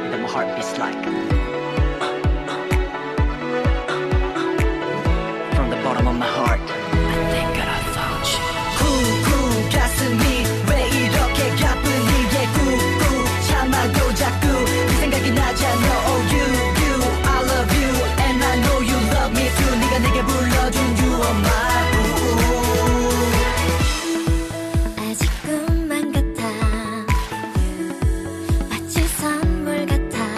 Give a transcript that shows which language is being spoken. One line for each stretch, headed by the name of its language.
English: Heartbeats like from the bottom of my heart. I think that I found you. Cool, cool,
Korean: 가슴이 왜 이렇게 가쁘니?
English: Yeah, cool, cool,
Korean: 참아도 자꾸 네 생각이 나잖아.
English: Oh, you, you, I love you, and I know you love me too.
Korean: 네가 내게 불러준
English: you are mine.
Korean: 아직 꿈만 같아. 마치 선물 같아.